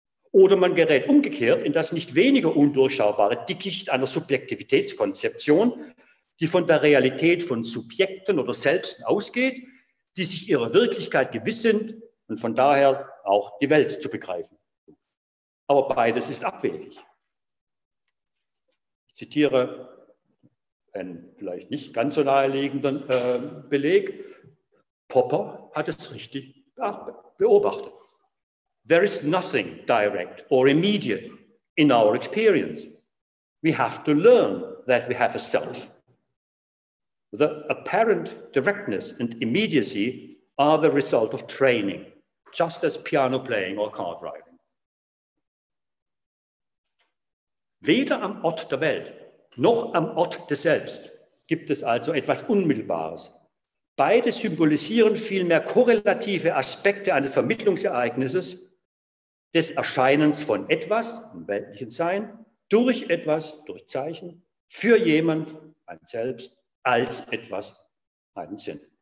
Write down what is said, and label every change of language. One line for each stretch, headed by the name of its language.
German: Oder man gerät umgekehrt in das nicht weniger undurchschaubare Dickicht einer Subjektivitätskonzeption, die von der Realität von Subjekten oder Selbsten ausgeht, die sich ihrer Wirklichkeit gewiss sind und von daher auch die Welt zu begreifen. Aber beides ist abwegig. Ich zitiere einen vielleicht nicht ganz so naheliegenden Beleg. Popper hat es richtig beobachtet.
English: There is nothing direct or immediate in our experience. We have to learn that we have a self. The apparent directness and immediacy are the result of training, just as piano playing or car driving.
German: Weder am Ort der Welt noch am Ort des Selbst gibt es also etwas Unmittelbares. Beide symbolisieren vielmehr korrelative Aspekte eines Vermittlungsereignisses des Erscheinens von etwas, im weltlichen Sein, durch etwas, durch Zeichen, für jemand, ein Selbst, als etwas, einen Sinn.